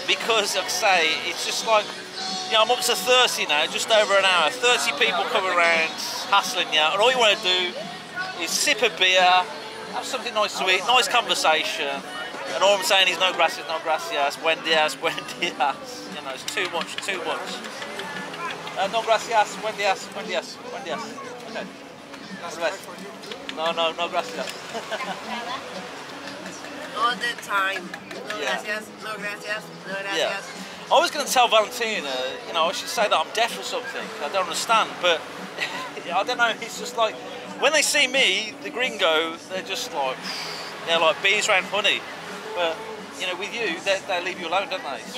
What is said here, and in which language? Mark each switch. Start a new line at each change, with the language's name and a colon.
English: Because, like I say, it's just like, you know, I'm up to 30 now, just over an hour. 30 people coming around, hassling you. And all you want to do is sip a beer, have something nice to eat, nice conversation. And all I'm saying is
Spanish: no gracias, no gracias, buen dias, buen dias.
English: You know, it's too much, too much.
Spanish: No gracias, buen dias, buen dias, buen dias. Okay. No, no, no gracias.
English: All the time.
Spanish: No gracias, no gracias, no gracias.
English: Yeah. I was going to tell Valentina, you know, I should say that I'm deaf or something. I don't understand, but I don't know. It's just like, when they see me, the gringo, they're just like, they're like bees around honey. But, you know, with you, they leave you alone, don't they? So